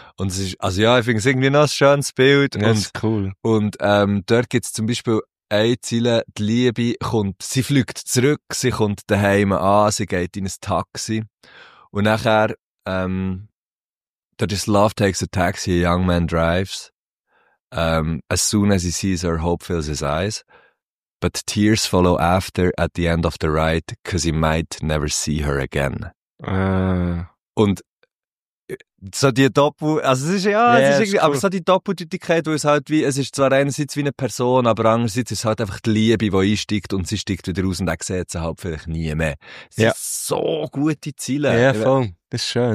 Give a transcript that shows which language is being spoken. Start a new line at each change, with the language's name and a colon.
German: Und es ist, also ja, ich finde es irgendwie noch ein schönes Bild. Das ist cool. Und, dort gibt es zum Beispiel eine Zeile, die Liebe kommt, sie fliegt zurück, sie kommt daheim an, sie geht in ein Taxi. Und nachher, dort ist
English: Love Takes a Taxi, a Young Man Drives. As soon as he sees her, hope fills his eyes. But tears follow after at the end of the ride, because he might never see her again.
German: Und so die Doppel, also es ist aber so die Doppeldeutigkeit, wo es halt wie, es ist zwar einerseits wie eine Person, aber andererseits ist es halt einfach die Liebe, die einsteigt und sie steigt wieder raus und dann sieht sie halt vielleicht nie mehr. Es sind so gute Ziele. Ja, voll. Das ist schön.